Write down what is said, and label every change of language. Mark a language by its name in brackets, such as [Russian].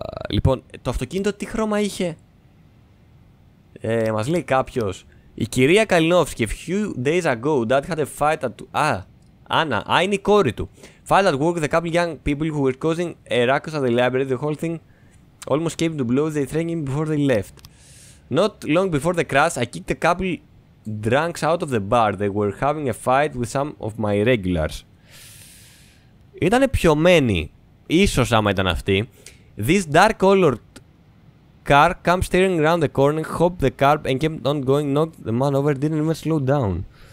[Greek] Λοιπόν, το αυτοκίνητο τι χρώμα είχε. Μας λέει κάποιος. Η κυρία [English] Kalinowski, a few days ago, dad had a fight at. Άννα, [Greek] είναι η κόρη του. [English] Fight at work, the couple young people who were causing a ruckus at the library, the whole thing almost came to blows. They threatened him before they left. Not long before the crash, I kicked a couple drunks out of the bar. They were having a fight with some of my regulars. [Greek] Ήτανε πιωμένοι, ίσως άμα ήταν αυτοί. [English] This dark colored car came staring around the corner, hopped the curb and kept on going, knocked the man over, didn't even slow down.